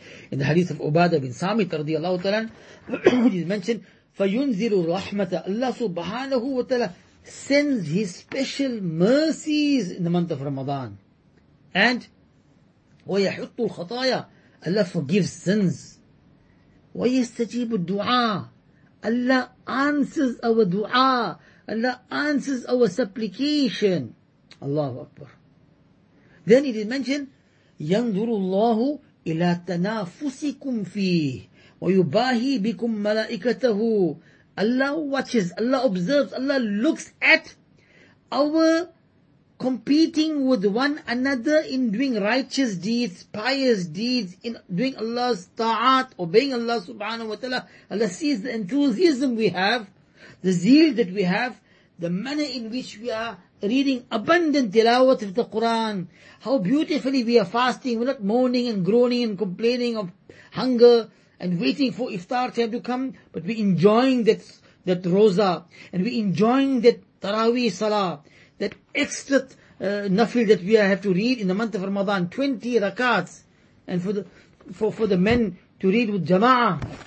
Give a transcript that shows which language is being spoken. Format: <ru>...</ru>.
<en>In the hadith of Ubadah bin Samit, radiallahu ta'ala, which is mentioned,</en> <ar>فَيُنزِلُ الرَّحْمَةَ</ar> <en>Allah Subhanahu Wa Ta'ala sends His special mercies in the month of Ramadan. And</en> <ar>وَيَحُطُّ الْخَطَايَا</ar> <en>Allah forgives sins.</en> <ar>وَيَسْتَجِيبُ الدُّعَاءِ</ar> <en>Allah answers our dua. Allah answers our supplication. Allahu Akbar.</en> <ar>Then it is mentioned, يَنْظُرُ اللَّهُ إِلَىٰ تَنَافُسِكُمْ فِيهِ وَيُبَاهِي بِكُمْ مَلَائِكَتَهُ.</ar> <en>Allah watches, Allah observes, Allah looks at our competing with one another in doing righteous deeds, pious deeds, in doing Allah's ta'at, obeying Allah subhanahu wa ta'ala. Allah sees the enthusiasm we have, the zeal that we have, the manner in which we are reading abundant tilawat of the Quran, how beautifully we are fasting, we're not moaning and groaning and complaining of hunger and waiting for iftar time to come, but we're enjoying that roza, and we're enjoying that taraweeh salah, that extra nafil that we have to read in the month of Ramadan, 20 rakats, and for the men to read with jama'ah.</en>